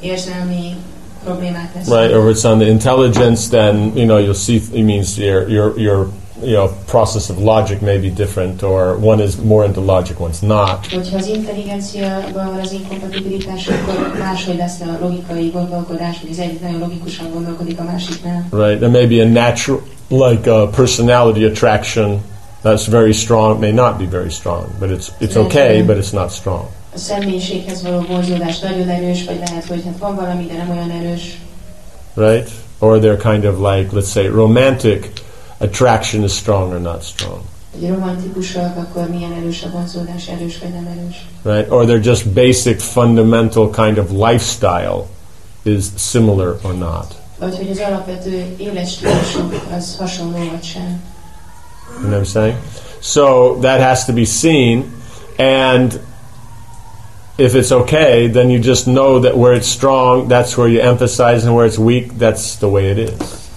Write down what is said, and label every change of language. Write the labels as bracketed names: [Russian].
[English] Right, or if it's on the intelligence, then you know you'll see. It means your you know process of logic may be different, or one is more into logic, one's not. [Hungarian] Hogyha az intelligenciában van az inkompatibilitás, akkor máshogy lesz a logikai gondolkodás, hogy az egyik nagyon logikusan gondolkodik, a másik nem. [English] Right, there may be a natural, like a personality attraction that's very strong, may not be very strong, but it's okay, but it's not strong. [Hungarian] A személyiséghez való vonzódás nagyon erős, vagy lehet, hogy hát van valami, de nem olyan erős. [English] Right, or they're kind of like, let's say, romantic attraction is strong or not strong. [Hungarian] Romantikusak, akkor milyen erős a vonzódás, erős vagy nem erős. [English] Right, or they're just basic, fundamental kind of lifestyle is similar or not. [Hungarian] Vagy hogy az alapvető életstílusok az hasonló vagy sem. [English] You know what I'm saying? So that has to be seen, and if it's okay, then you just know that where it's strong, that's where you emphasize, and where it's weak, that's the way it is.